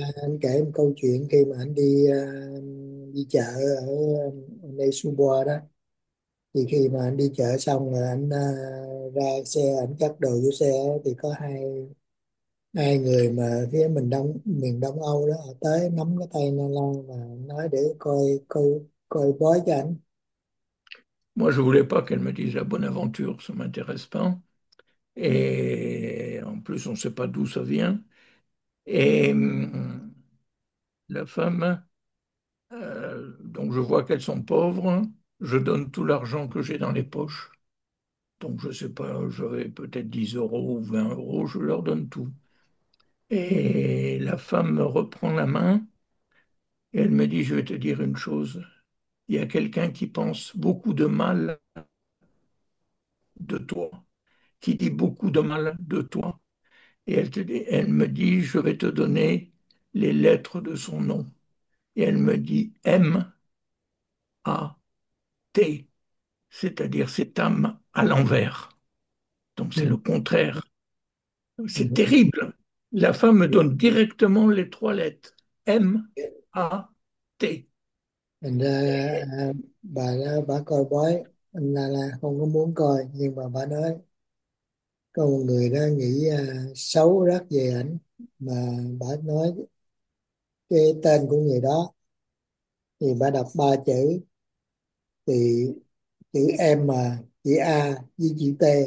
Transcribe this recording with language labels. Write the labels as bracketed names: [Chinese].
[Vietnamese] anh kể một câu chuyện khi mà anh đi chợ ở đây Subo đó, thì khi mà anh đi chợ xong rồi anh ra xe anh chất đồ vô xe thì có hai người mà phía miền Đông Âu đó họ tới nắm cái tay Na Lan và nói để coi bói cho anh. [French] Moi, je ne voulais pas qu'elle me dise la bonne aventure, ça ne m'intéresse pas. Et en plus, on ne sait pas d'où ça vient. Et la femme, donc je vois qu'elles sont pauvres, je donne tout l'argent que j'ai dans les poches. Donc je ne sais pas, j'avais peut-être 10 euros ou 20 euros, je leur donne tout. Et la femme me reprend la main et elle me dit, je vais te dire une chose. Il y a quelqu'un qui pense beaucoup de mal de toi, qui dit beaucoup de mal de toi. Et elle me dit, je vais te donner les lettres de son nom. Et elle me dit, M-A-T, c'est-à-dire cette âme à l'envers. Donc c'est le contraire. C'est terrible. La femme me donne directement les trois lettres. M-A-T. [Vietnamese] Ra bà coi bói là không có muốn coi nhưng mà bà nói có một người đó nghĩ xấu rất về ảnh mà bà nói cái tên của người đó thì bà đọc ba chữ thì chữ M mà chữ A với chữ T.